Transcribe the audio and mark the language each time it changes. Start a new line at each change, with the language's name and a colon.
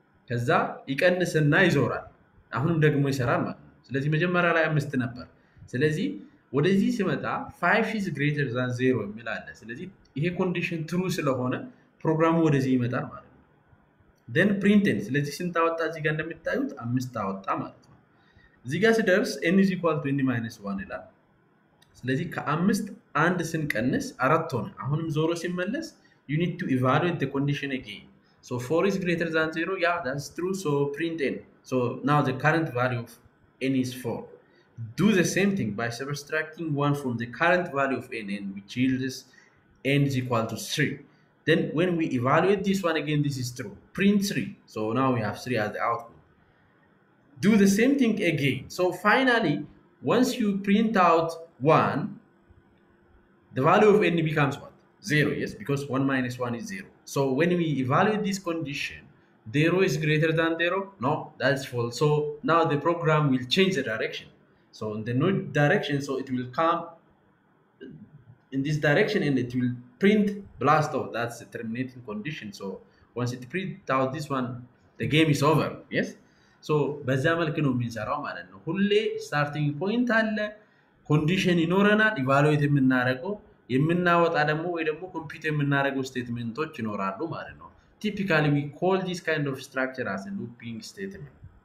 Amharic: ከዛ ይቀንስና ይዞራል፣ አሁንም ደግሞ ይሰራል ማለት ነው። ስለዚህ መጀመሪያ ላይ 5 ነበር። ስለዚህ ወደዚህ ሲመጣ
English: 5 is greater than 0
Amharic: ይላል። ስለዚህ ይሄ ኮንዲሽን ትሩ ስለሆነ ፕሮግራሙ ወደዚህ ይመጣል ማለት ነው።
English: then print n።
Amharic: ስለዚህ ስንት አወጣ? እዚህ ጋር እንደምታዩት 5 አወጣ ማለት ነው። እዚህ ጋር ሲደርስ n is equal to n minus 1 ይላል። ስለዚህ ከ5 አንድ ስንቀንስ 4 ሆነ። አሁንም ዞሮ ሲመለስ
English: you need to evaluate the condition again. So 4 is greater than 0, yeah, that's true, so print n. So now the current value of n is 4. Do the same thing by subtracting 1 from the current value of n, which yields n is equal to 3. Then when we evaluate this one again, this is true. Print 3, so now we have 3 as the output. Do the same thing again. So finally, once you print out 1, the value of n becomes what? 0, yes, because 1 minus 1 is 0. So when we evaluate this condition, 0 is greater than 0? No, that's false. So now the program will change the direction. So in the new direction, so it will come in this direction and it will print blast off. That's the terminating condition. So once it print out this one, the game is over. Yes?
Amharic: So በዛ መልክ ነው የሚሰራው ማለት ነው። ሁሌ starting point አለ፣ condition ይኖረናል፣ evaluate የምናደርገው የምናወጣ ደግሞ ወይ ደግሞ ኮምፒውተር የምናደርገው ስቴትመንቶች ይኖራሉ ማለት ነው።
English: ቲፒካሊ ዊ ኮል ዲስ ካይንድ ኦፍ ስትራክቸር አስ ሉፒንግ ስቴትመንት።